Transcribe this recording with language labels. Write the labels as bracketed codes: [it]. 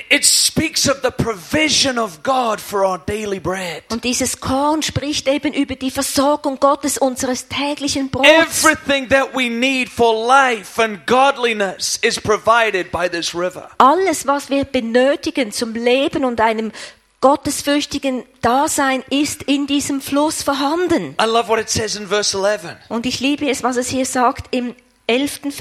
[en] It speaks of the provision of God for our daily bread. [de] Und dieses Korn spricht eben über die Versorgung Gottes unseres täglichen Brots. [en] Everything that we need for life and godliness is provided by this river. [de] Alles, was wir benötigen zum Leben und einem gottesfürchtigen Dasein ist in diesem Fluss vorhanden. [en] I love what it says in verse 11. [de] Und ich liebe es, was es hier sagt im 11.